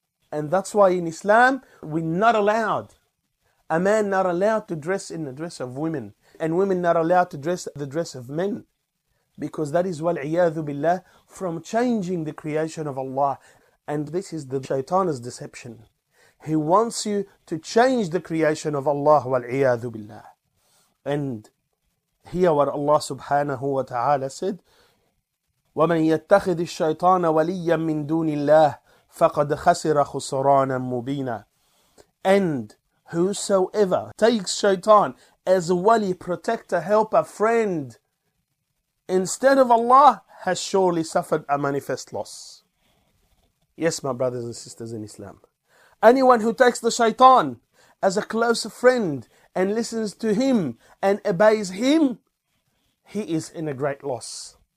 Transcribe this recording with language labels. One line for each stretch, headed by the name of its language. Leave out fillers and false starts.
English: And that's why in Islam, we're not allowed. A man not allowed to dress in the dress of women, and women not allowed to dress the dress of men, because that is wal-iyadhu billah, from changing the creation of Allah. And this is the shaitan's deception. He wants you to change the creation of Allah, wal-iyadhu billah. And here what Allah subhanahu wa ta'ala said,
Arabic: وَمَنْ يَتَّخِذِ الشَّيْطَانَ وَلِيًّا مِّن دُونِ اللَّهِ فَقَدْ خَسِرَ خُسْرَانًا مُّبِينًا.
English: And whosoever takes shaitan as a wali, protector, helper, friend, instead of Allah, has surely suffered a manifest loss. Yes, my brothers and sisters in Islam, anyone who takes the shaitan as a close friend and listens to him and obeys him, he is in a great loss.